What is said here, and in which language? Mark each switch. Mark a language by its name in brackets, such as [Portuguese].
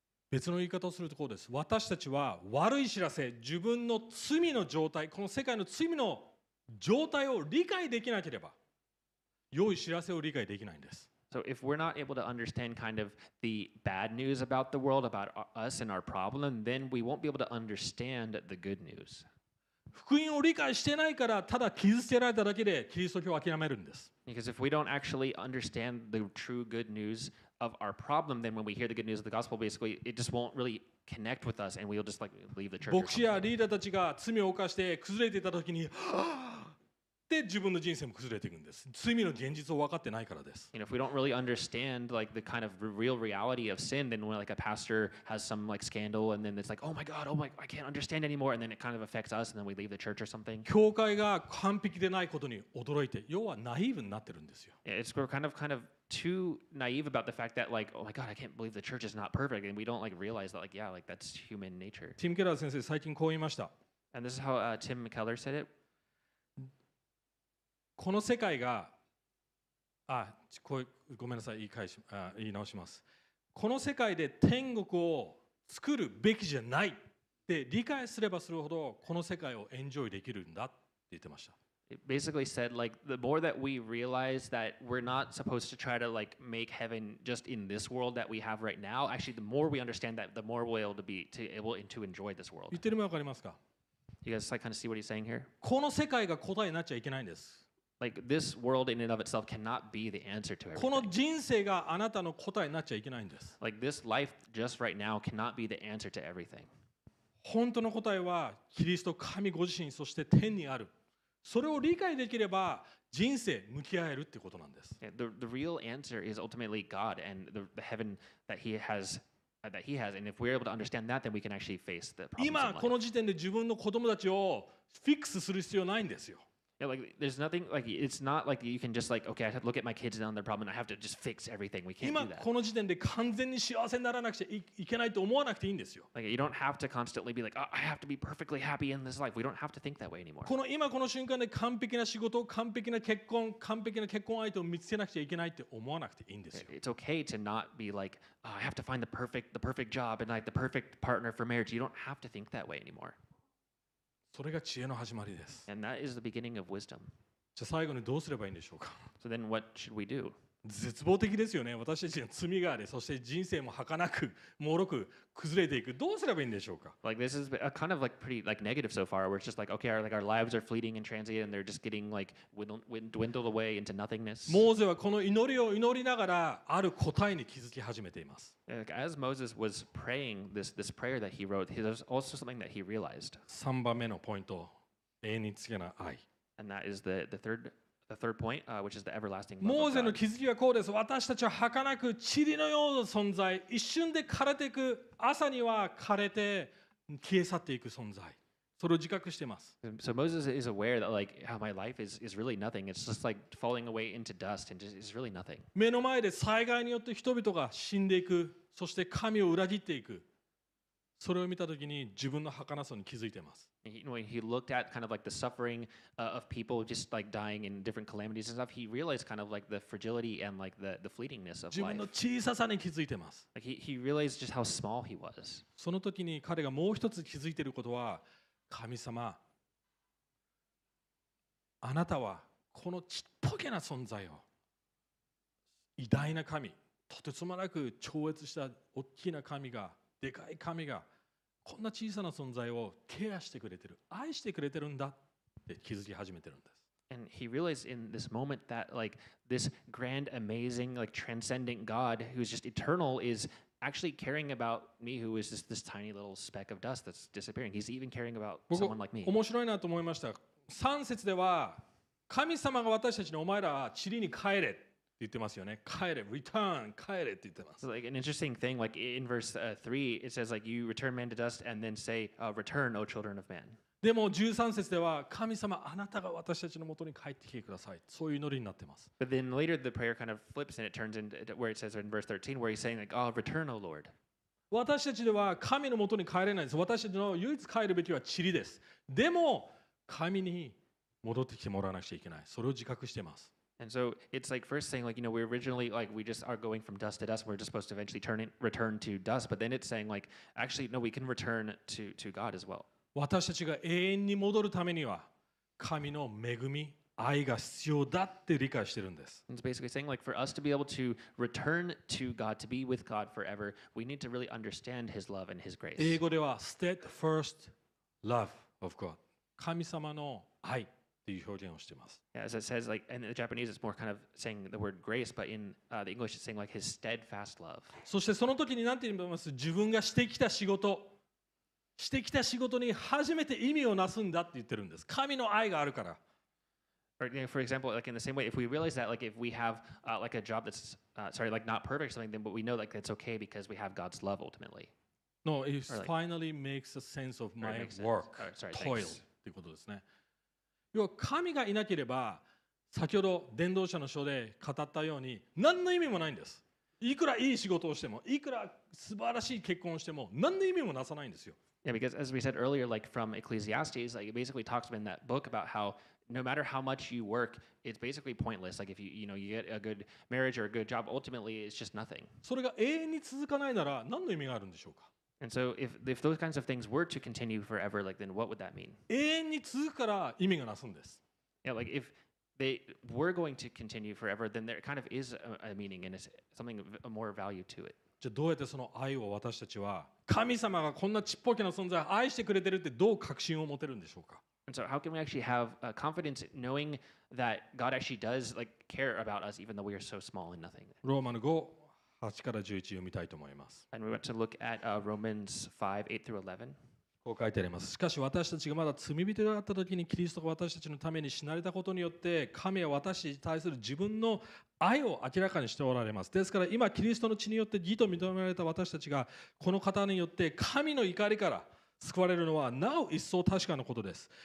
[Japanese] 別の言い方をするところです。私たちは悪い知らせ、自分の罪の状態、この世界の罪の状態を理解できなければ、良い知らせを理解できないんです。 [English] So if we're not able to understand kind of the bad news about the world, about us and our problem, then we won't be able to understand the good news. [Japanese] 福音を理解してないからただ傷つけられただけでキリスト教を諦めるんです。 [English] Because if we don't actually understand the true good news of our problem, then when we hear the good news of the gospel, basically it just won't really connect with us, and we'll just like leave the church. [Japanese] 牧師やリーダーたちが罪を犯して崩れていた時に、で自分の人生も崩れていくんです。罪の現実を分かってないからです。 [English] You know, if we don't really understand like the kind of real reality of sin, then when like a pastor has some like scandal, and then it's like, oh my God, oh my, I can't understand anymore, and then it kind of affects us, and then we leave the church or something. [Japanese] 教会が完璧でないことに驚いて、要はナイーブになってるんですよ。 [English] It's we're kind of too naive about the fact that like, oh my God, I can't believe the church is not perfect, and we don't like realize that like, yeah, like that's human nature. [Japanese] ティム・ケラー先生最近こう言いました。 [English] And this is how Tim Keller said it. [Japanese] この世界が、あ、ごめんなさい、言い直します。この世界で天国を作るべきじゃないって理解すればするほど、この世界をエンジョイできるんだって言ってました。 [English] It basically said, like, the more that we realize that we're not supposed to try to, like, make heaven just in this world that we have right now, actually, the more we understand that, the more we'll be to able to enjoy this world. [Japanese] 言ってるのわかりますか? [English] You guys, like, kind of see what he's saying here? [Japanese] この世界が答えになっちゃいけないんです。 [English] Like this world in and of itself cannot be the answer to everything. [Japanese] この人生があなたの答えになっちゃいけないんです。 [English] Like this life just right now cannot be the answer to everything. [Japanese] 本当の答えはキリスト神ご自身そして天にある。それを理解できれば人生向き合えるってことなんです。 [English] Yeah, the real answer is ultimately God and the heaven that he has, and if we're able to understand that, then we can actually face the problems. [Japanese] 今この時点で自分の子供たちをフィックスする必要ないんですよ。 [English] Yeah, like there's nothing like it's not like you can just like okay, I have to look at my kids and their problem and I have to just fix everything. We can't do that. [Japanese] 今この時点で完全に幸せにならなくちゃいけないと思わなくていいんですよ。 [English] Like you don't have to constantly be like I have to be perfectly happy in this life. We don't have to think that way anymore. [Japanese] この今この瞬間で完璧な仕事、完璧な結婚、完璧な結婚相手を見つけなくちゃいけないって思わなくていいんですよ。 [English] It's okay to not be like I have to find the perfect job and like the perfect partner for marriage. You don't have to think that way anymore. [Japanese] それが知恵の始まりです。 [English] And that is the beginning of wisdom. [Japanese] じゃあ最後にどうすればいいんでしょうか。 [English] So then what should we do? [Japanese] 絶望的ですよね。私たちの罪があり、そして人生も儚く、脆く、崩れていく。どうすればいいんでしょうか。 [English] Like this is a kind of like pretty like negative so far, where it's just like okay, like our lives are fleeting and transient, and they're just getting like dwindled away into nothingness. [Japanese] モーゼはこの祈りを祈りながらある答えに気づき始めています。 [English] Like as Moses was praying this prayer that he wrote, there's also something that he realized. [Japanese] 3番目のポイント、永遠につけない愛。 [English] And that is the third point, which is the everlasting love of God. [Japanese] モーゼの気づきはこうです。私たちは儚く塵のような存在、一瞬で枯れていく、朝には枯れて消え去っていく存在。それを自覚しています。 [English] So Moses is aware that like how my life is really nothing. It's just like falling away into dust and just is really nothing. [Japanese] 目の前で災害によって人々が死んでいく、そして神を裏切っていく。それを見たときに自分の儚さに気づいてます。 [English] When he looked at kind of like the suffering of people just like dying in different calamities and stuff, he realized kind of like the fragility and like the fleetingness of life. [Japanese] 自分の小ささに気づいてます。 [English] Like he realized just how small he was. [Japanese] その時に彼がもう一つ気づいていることは、神様、あなたはこのちっぽけな存在を偉大な神、とてつもなく超越した大きな神が、でかい神が、こんな小さな存在をケアしてくれてる、愛してくれてるんだって気づき始めてるんです。 [English] And he realized in this moment that like this grand, amazing, like transcendent God who's just eternal is actually caring about me who is just this tiny little speck of dust that's disappearing. He's even caring about someone like me. [Japanese] 面白いなと思いました。3節では神様が私たちにお前ら塵に帰れ。言ってますよね。帰れ、return、帰れって言ってます。 [English] So like an interesting thing, like in verse 3, it says like you return man to dust and then say, return, O children of man. [Japanese] でも13節では神様あなたが私たちの元に帰ってきてください。そういう祈りになってます。 [English] But then later the prayer kind of flips and it turns into where it says in verse 13 where he's saying like, oh, return, O Lord. [Japanese] 私たちでは神の元に帰れないです。私たちの唯一帰るべきは塵です。でも神に戻ってきてもらわなくちゃいけない。それを自覚しています。 [English] And so it's like first saying like, you know, we originally like we just are going from dust to dust. We're just supposed to eventually return to dust. But then it's saying like, actually, no, we can return to God as well. [Japanese] 私たちが永遠に戻るためには神の恵み、愛が必要だって理解してるんです。 [English] It's basically saying like for us to be able to return to God, to be with God forever, we need to really understand His love and His grace. [Japanese] 英語では [English] steadfast love of God. [Japanese] 神様の愛。という表現をしています。 [English] Yeah, as it says, like, in the Japanese, it's more kind of saying the word grace, but in, the English, it's saying like his steadfast love. [Japanese] そしてその時に何て言います？自分がしてきた仕事、してきた仕事に初めて意味をなすんだって言ってるんです。神の愛があるから。 [English] Or, you know, for example, like in the same way, if we realize that, like if we have, like a job that's, sorry, like not perfect or something, then but we know like it's okay because we have God's love ultimately. No, it like, finally makes a sense of my sense. Work, sorry, toil. [Japanese] ということですね。要は神がいなければ、先ほど伝道者の書で語ったように、何の意味もないんです。いくらいい仕事をしても、いくら素晴らしい結婚をしても、何の意味もなさないんですよ。 [English] Yeah, because as we said earlier, like from Ecclesiastes, like it basically talks in that book about how no matter how much you work, it's basically pointless. Like if you, you know, you get a good marriage or a good job, ultimately it's just nothing. [Japanese] それが永遠に続かないなら何の意味があるんでしょうか。 [English] And so if those kinds of things were to continue forever, like then what would that mean? [Japanese] 永遠に続くから意味がなすんです。 [English] Yeah, like if they were going to continue forever, then there kind of is a meaning and something a more value to it. [Japanese] じゃあどうやってその愛を私たちは神様がこんなちっぽけな存在を愛してくれてるってどう確信を持てるんでしょうか。 [English] And so how can we actually have confidence knowing that God actually does like care about us even though we are so small and nothing? [Japanese] ローマの5 8から11読みたいと思います。 [English] And we want to look at Romans 5 8 through 11. [Japanese] こう書いてあります。しかし私たちがまだ罪人だった時にキリストが私たちのために死なれたことによって神は私に対する自分の愛を明らかにしておられます。ですから今キリストの血によって義と認められた私たちがこの方によって神の怒りから救われるのはなお一層確かなことです。